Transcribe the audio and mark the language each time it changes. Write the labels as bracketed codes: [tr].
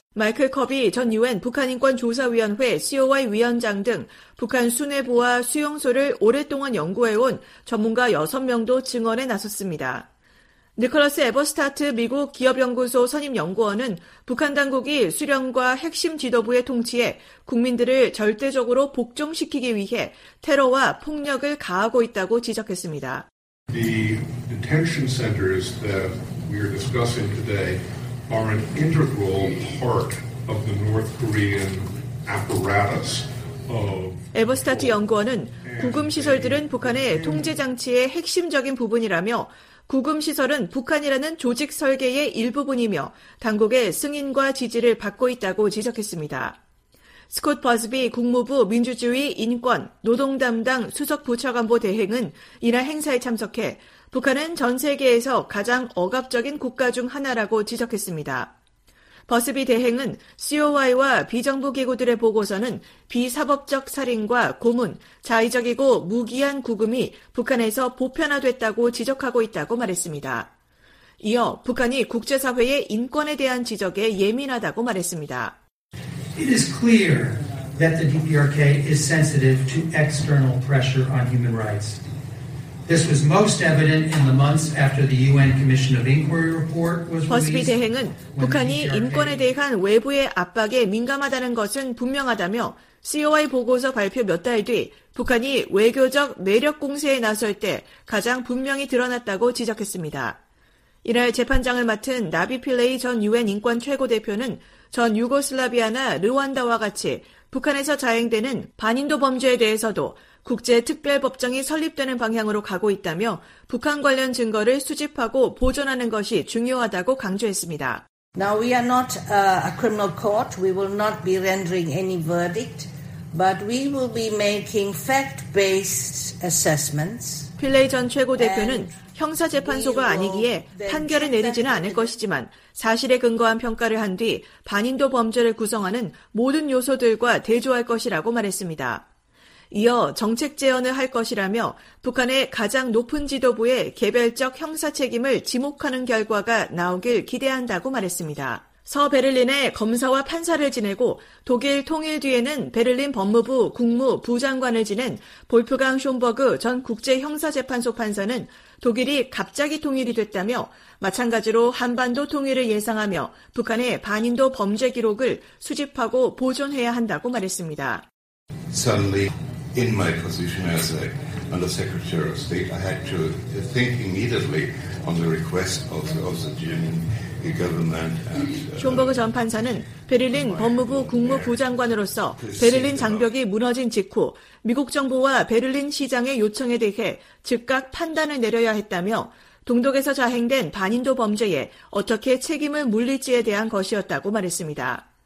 [ko] 마이클 커비 전 유엔 북한인권조사위원회 COI 위원장 등 북한 수뇌부와 수용소를 오랫동안 연구해온 전문가 6명도 증언에 나섰습니다. 니콜러스 에버스타트 미국 기업연구소 선임연구원은 북한 당국이 수령과 핵심 지도부의 통치에 국민들을 절대적으로 복종시키기 위해 테러와 폭력을 가하고 있다고 지적했습니다. [en] The detention centers that we are discussing today are an integral part of the North Korean apparatus of [ko] 에버스타트 연구원은 구금시설들은 북한의 통제장치의 핵심적인 부분이라며 구금시설은 북한이라는 조직 설계의 일부분이며 당국의 승인과 지지를 받고 있다고 지적했습니다. 스콧 버즈비 국무부 민주주의 인권 노동담당 수석부처관보 대행은 이날 행사에 참석해 북한은 전 세계에서 가장 억압적인 국가 중 하나라고 지적했습니다. 버스비 대행은 COI와 비정부기구들의 보고서는 비사법적 살인과 고문, 자의적이고 무기한 구금이 북한에서 보편화됐다고 지적하고 있다고 말했습니다. 이어 북한이 국제사회의 인권에 대한 지적에 예민하다고 말했습니다. [en] It is clear that the DPRK is sensitive to external pressure on human rights. This was most evident in the months after the UN Commission of Inquiry report was released. [ko] 버스비 대행은 북한이 인권에 대한 외부의 압박에 민감하다는 것은 분명하다며 COI 보고서 발표 몇 달 뒤 북한이 외교적 매력 공세에 나설 때 가장 분명히 드러났다고 지적했습니다. 이날 재판장을 맡은 나비 필레이 전 UN 인권 최고대표는 전 유고슬라비아나 르완다와 같이 북한에서 자행되는 반인도 범죄에 대해서도 국제특별법정이 설립되는 방향으로 가고 있다며 북한 관련 증거를 수집하고 보존하는 것이 중요하다고 강조했습니다. [en] Now we are not a criminal court. We will not be rendering any verdict, but we will be making fact-based assessments. [ko] 필레이 전 최고 대표는 형사재판소가 아니기에 판결을 내리지는 않을 것이지만 사실에 근거한 평가를 한 뒤 반인도 범죄를 구성하는 모든 요소들과 대조할 것이라고 말했습니다. 이어 정책 재연을 할 것이라며 북한의 가장 높은 지도부의 개별적 형사 책임을 지목하는 결과가 나오길 기대한다고 말했습니다. 서 베를린에 검사와 판사를 지내고 독일 통일 뒤에는 베를린 법무부 국무 부장관을 지낸 볼프강 숀버그 전 국제형사재판소 판사는 독일이 갑자기 통일이 됐다며 마찬가지로 한반도 통일을 예상하며 북한의 반인도 범죄 기록을 수집하고 보존해야 한다고 말했습니다. [en] Suddenly, in my position as a Undersecretary of State, I had to think immediately on the request of the German government. [ko] 숀버그 전 판사는 베를린 법무부 국무부장관으로서 베를린 장벽이 무너진 직후 미국 정부와 베를린 시장의 요청에 대해 즉각 판단을 내려야 했다며 동독에서 자행된 반인도 범죄에 어떻게 책임을 물릴지에 대한 것이었다고 말했습니다.